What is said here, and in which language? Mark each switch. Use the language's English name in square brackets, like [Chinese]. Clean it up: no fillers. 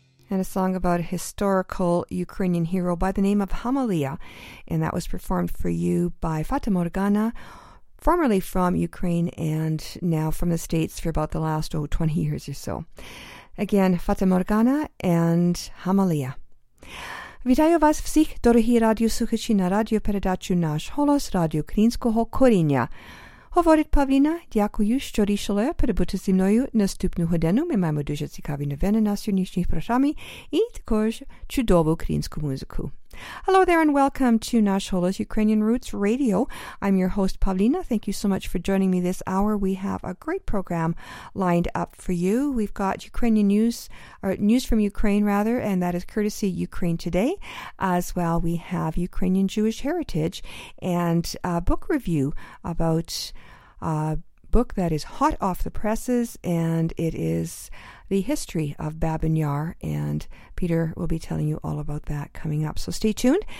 [English] and a song about a historical Ukrainian hero by the name of Hamalia. And that was performed for you by Fata Morgana, formerly from Ukraine and now from the States for about the last 20 years or so. Again, Fata Morgana and Hamalia. [Ukrainian] Вітаю вас всіх, дорогі радіослухачі, на радіопередачу «Наш голос» Радіо Українського коріння. Говорить Павліна, дякую, що рішили перебути зі мною наступну годину. Ми маємо дуже цікаві новини на сьогоднішній програмі і також чудову українську музику. [English] Hello there and welcome to «Наш голос» Ukrainian Roots Radio. I'm your host, Павліна. Thank you so much for joining me this hour. We have a great program lined up for you. We've got Ukrainian news, or news from Ukraine, rather, and that is courtesy Ukraine Today. As well, we have Ukrainian Jewish heritage and a book review about a book that is hot off the presses, and it is the history of Babyn Yar, and Peter will be telling you all about that coming up. So stay tuned.